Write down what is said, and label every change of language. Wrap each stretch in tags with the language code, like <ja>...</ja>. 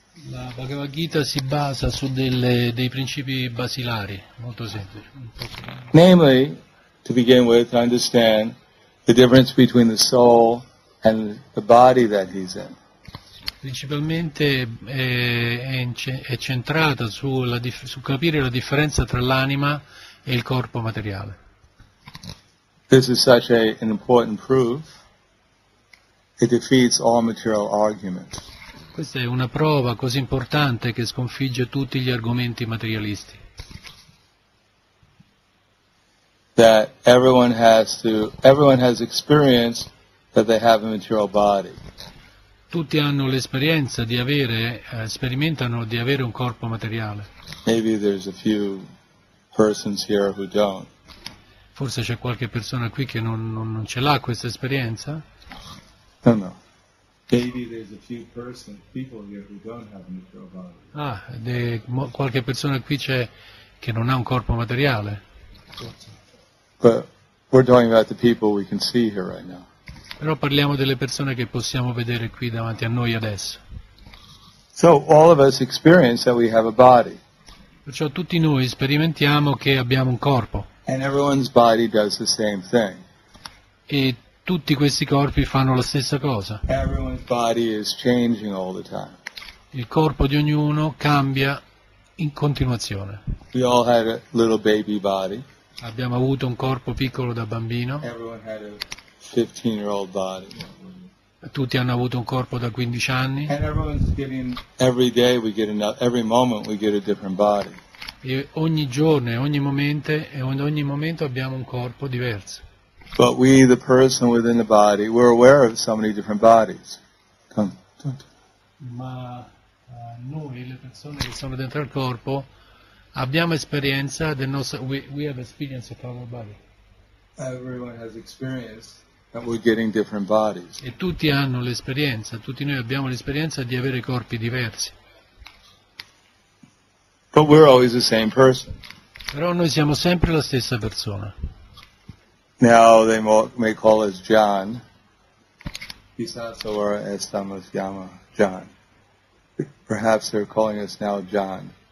<it>La Bhagavad Gita si basa su dei principi basilari, molto semplici.</it> <en>Namely, to begin with, to understand the difference between the soul and the body that he's in.</en> <it>Principalmente è centrata su capire la differenza tra l'anima e il corpo materiale.</it> <en>This is such an important proof. It defeats all material arguments.</en> <it>Questa è una prova così importante che sconfigge tutti gli argomenti materialisti.</it> <en>That everyone has experienced that they have a material body.</en> <it>Tutti hanno l'esperienza di avere, sperimentano di avere un corpo materiale.</it> <en>Maybe there's a few persons here who don't.</en> <it>Forse c'è qualche persona qui che non ce l'ha questa esperienza.</it> <en>No, no. Maybe there's a few people here who don't have a material body.</en> <it>Ah, qualche persona qui c'è che non ha un corpo materiale.</it> <en>But we're talking about the people we can see here right now.</en> <it>Però parliamo delle persone che possiamo vedere qui davanti a noi adesso.</it> <en>So all of us experience that we have a body.</en> <it>Perciò tutti noi sperimentiamo che abbiamo un corpo.</it> <en>And everyone's body does the same thing.</en> <it>E tutti questi corpi fanno la stessa cosa.</it> <en>Everyone's body is changing all the time.</en> <it>Il corpo di ognuno cambia in continuazione.</it> <en>We all had a little baby body.</en> <it>Abbiamo avuto un corpo piccolo da bambino.</it> <en>Everyone had a 15-year-old body.</en> <it>Tutti hanno avuto un corpo da 15 anni.</it> <en>And everyone's getting every day we get every moment we get a different body.</en> <it>E ogni giorno, ogni momento abbiamo un corpo diverso.</it> <en>But we, the person within the body, we're aware of so many different bodies.</en> <it>Come. Ma noi, le persone che sono dentro il corpo, abbiamo esperienza del nostro.</it> <en>We have experience of our body. Everyone has experience. And we're getting different bodies.</en> <it>E tutti hanno l'esperienza, tutti noi abbiamo l'esperienza di avere corpi diversi.</it> <en>But we're always the same person.</en> <it>Però noi siamo sempre la stessa persona.</it> <en>Now they may call us John. Pisasawara estamos llama John. Perhaps they're calling us now John.</en>